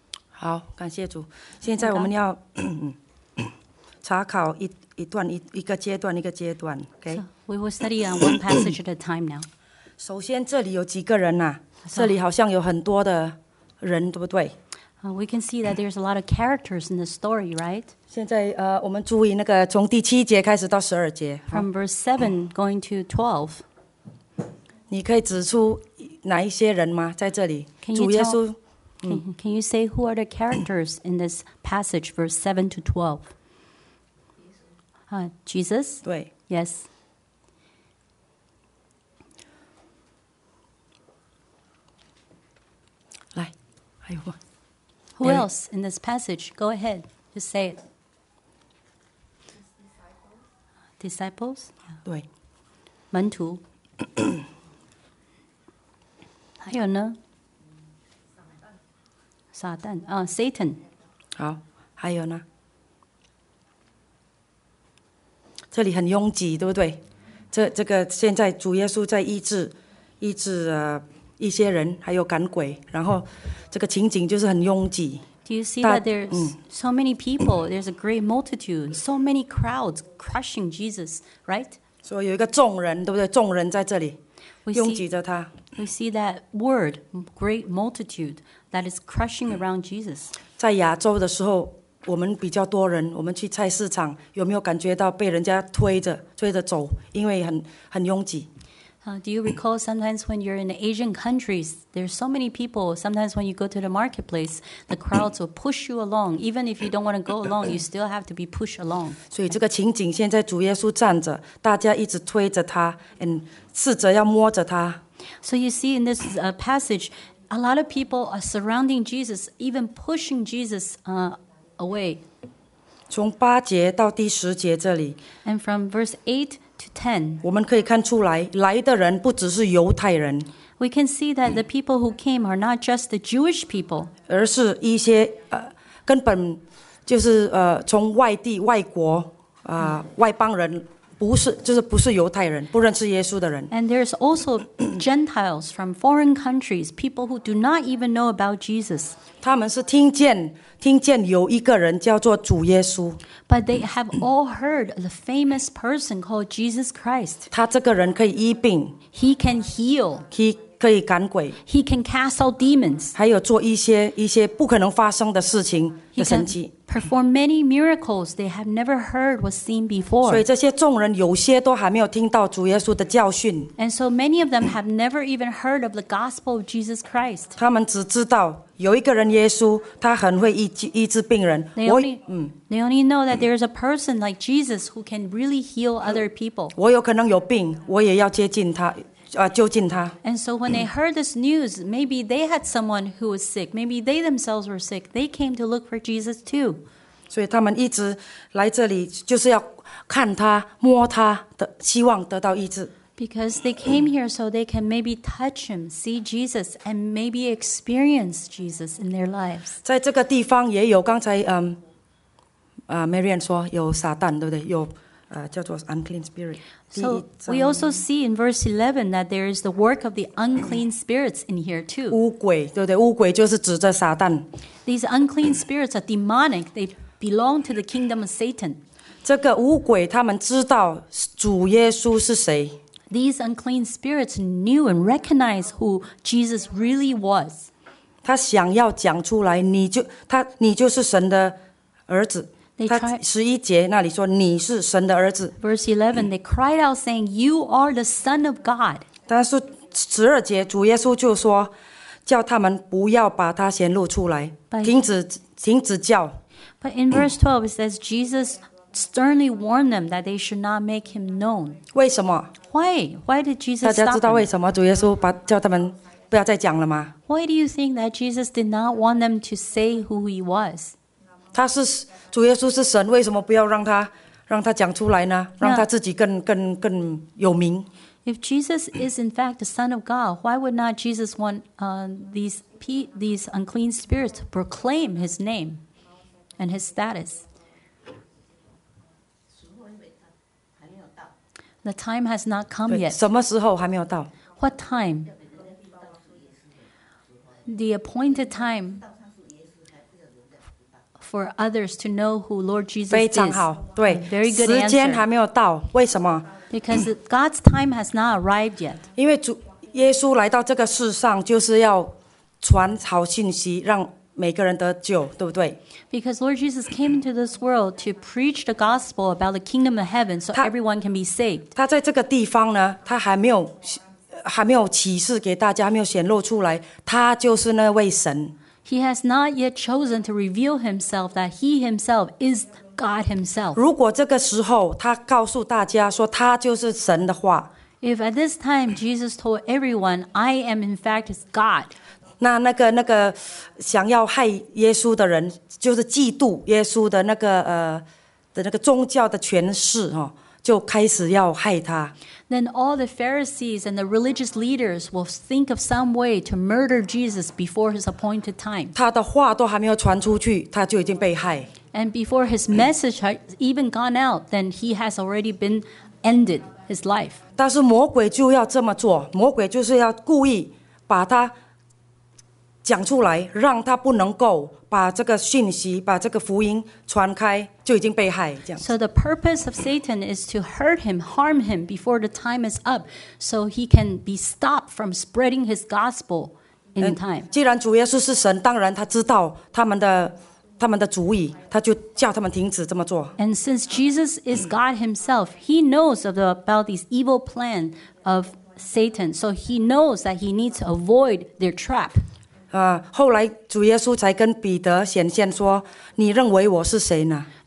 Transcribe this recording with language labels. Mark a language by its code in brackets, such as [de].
[zh] 好，感谢主。现在我们要查考一个阶段。 [en] Okay. So, we will study on one passage at a time now. [zh] 首先，这里有几个人呐、啊？ [en] So, [zh] 这里好像有很多的人，对不对？ [en] We can see that there's a lot of characters in the story, right? [zh] 现在我们注意那个从第七节开始到十二节。 [en] From verse 7 going to 12. [zh] 你可以指出哪一些人吗？在这里，主耶稣。 [en] Can you say who are the characters in this passage, verse 7 to 12? Jesus? [zh] 对。 [en] Yes. [zh] 来，还有吗？ [en] Who else in this passage? Go ahead, just say it. Disciples? [zh] 对。门徒。还有呢？撒旦啊 ，Satan，好，还有呢？这里很拥挤，对不对？这个现在主耶稣在医治一些人，还有赶鬼，然后这个情景就是很拥挤。 [en] Do you see that there's so many people? There's a great multitude, so many crowds crushing Jesus, right? [zh] 所以有一个众人，对不对？众人在这里。拥挤着他。 [en] We see that word, great multitude, that is crushing around Jesus. [zh] 在亚洲的时候，我们比较多人，我们去菜市场，有没有感觉到被人家推着走，因为很拥挤。 [en] Do you recall sometimes when you're in Asian countries, there's so many people, sometimes when you go to the marketplace, the crowds will push you along. Even if you don't want to go along, you still have to be pushed along. [zh] 所以这个情景现在主耶稣站着，大家一直推着他 [en] and [zh] 试着要摸着他。 [en] So you see in this passage, a lot of people are surrounding Jesus, even pushing Jesus away. [zh] 从八节到第十节这里。 [en] And from verse 8, [zh] 我们可以看出来，来的人不只是犹太人。 [en] We can see that the people who came are not just the Jewish people， [zh] 而是一些根本就是从外地、外国外邦人，不是犹太人，不认识耶稣的人。 [en] And there's also Gentiles from foreign countries, people who do not even know about Jesus。 [zh] 他们是听见有一个人叫做主耶稣。 [en] But they have all heard the famous person called Jesus Christ. [zh] 他这个人可以医病。 [en] He can heal. [zh] 可以赶鬼。 [en] He can cast out demons. [zh] 还有做一些不可能发生的事情的神迹。 [en] He can perform many miracles they have never heard was seen before. [zh] 所以这些众人有些都还没有听到主耶稣的教训。 [en] And so many of them have never even heard of the gospel of Jesus Christ. [zh] 他们只知道有一个人耶稣，他很会医治病人。 [en] They only know that there is a person like Jesus who can really heal other people. [zh] 我有可能有病，我也要接近他，就近他。 [en] And so when they heard this news, maybe they had someone who was sick. Maybe they themselves were sick. They came to look for Jesus too. [zh] 所以他们一直来这里，就是要看他、摸他的，希望得到医治。 [en] Because they came here so they can maybe touch him, see Jesus, and maybe experience Jesus in their lives. [zh] 在这个地方也有刚才Marianne 说有撒旦，对不对？有叫做 [en] unclean spirit. So we also see in verse 11 that there is the work of the unclean spirits in here too. [zh] 乌鬼，对不对？乌鬼就是指着撒旦。 [en] These unclean spirits are demonic. They belong to the kingdom of Satan. [zh] 这个乌鬼他们知道主耶稣是谁。 [en] These unclean spirits knew and recognized who Jesus really was. [zh] 他想要讲出来，你就是神的儿子。他十一节那里说你是神的儿子。 [en] Verse 11, they cried out saying, "You are the Son of God." [zh] 但是十二节主耶稣就说，叫他们不要把他显露出来，停止叫。 [en] But in verse 12, it says Jesus sternly warned them that they should not make him known. [zh] 为什么？ [en] Why did Jesus stop? [zh] 大家知道为什么主耶稣把叫他们不要再讲了吗？ [en] Why do you think that Jesus did not want them to say who he was? [zh] 他是主耶稣是神，为什么不要让他讲出来呢？让他自己更有名。 [en] If Jesus is in fact the Son of God, why would not Jesus want these unclean spirits to proclaim his name and his status? The time has not come yet. [zh] 什么时候还没有到？ [en] What time? The appointed time for others to know who Lord Jesus is. [zh] 非常好，对。 [en] Very good answer. [zh] 时间还没有到，为什么？ [en] Because God's time has not arrived yet. [zh] 因为主耶稣来到这个世上，就是要传好信息，让每个人得救，对不对？ [en] Because Lord Jesus came into this world to preach the gospel about the kingdom of heaven so everyone can be saved. [zh] 他在这个地方呢，他还没有启示给大家，还没有显露出来，他就是那位神。 [en] He has not yet chosen to reveal himself that he himself is God himself. [zh] 如果这个时候他告诉大家说他就是神的话， [en] If at this time Jesus told everyone, I am in fact God, [zh] 那个想要害耶稣的人，就是嫉妒耶稣的那个宗教的权势，就开始要害他。 [en] Then all the Pharisees and the religious leaders will think of some way to murder Jesus before his appointed time. [zh] 他的话都还没有传出去，他就已经被害。 [en] And before his message has even gone out, then he has already been ended his life. [zh] 但是魔鬼就要这么做，魔鬼就是要故意把他讲出来，让他不能够把这个讯息、把这个福音传开，就已经被害这样。 [en] So the purpose of Satan is to hurt him, harm him before the time is up, so he can be stopped from spreading his gospel in time. [zh] 既然主耶稣是神，当然他知道他们的他们的主意，他就叫他们停止这么做。 [en] And since Jesus is God Himself, He knows about this evil plan of Satan, so He knows that He needs to avoid their trap. [zh] 后来主耶稣才跟彼得显现说：“你认为我是谁呢？”